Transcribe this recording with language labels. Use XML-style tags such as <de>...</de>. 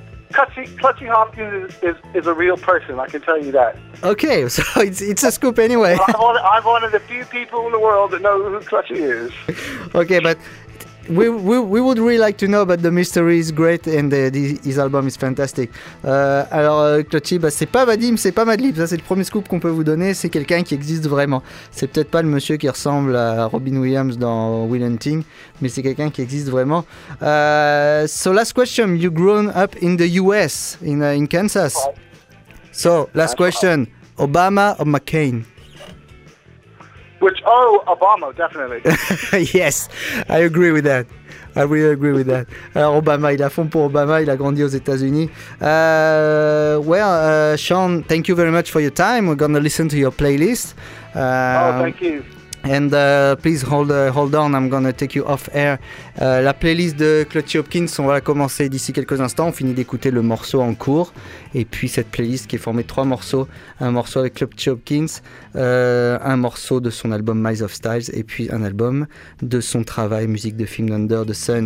<en>Clutchy Hopkins is a real person, I can tell you that. Okay, so it's a scoop anyway. I'm one of the few people in the world that know who Clutchy is. Okay, but we would really like to know, but the mystery is great and his album is fantastic.</en> <fr>Clutchy, c'est pas Vadim, c'est pas Madlib, ça c'est le premier scoop qu'on peut vous donner, c'est quelqu'un qui existe vraiment. C'est peut-être pas le monsieur qui ressemble à Robin Williams dans Will Hunting, mais c'est quelqu'un qui existe vraiment.</fr> <en>So last question, you grown up in the US, in Kansas. So last question, Obama or McCain? Obama, definitely. Yes, I agree with that. I really agree with that.</en> <fr>Alors Obama, il a fond pour Obama, il a grandi aux États-Unis.</fr> <en>Sean, thank you very much for your time. We're going to listen to your playlist. Thank you. And please hold on, I'm going to take you off air.</en> <fr>La playlist de Clutchy Hopkins, on va la commencer d'ici quelques instants. On finit d'écouter le morceau en cours. Et puis cette playlist qui est formée de trois morceaux. Un morceau avec Clutchy Hopkins, un morceau de son album Miles of Styles, et puis un album de son travail, musique de film Under the Sun.</fr>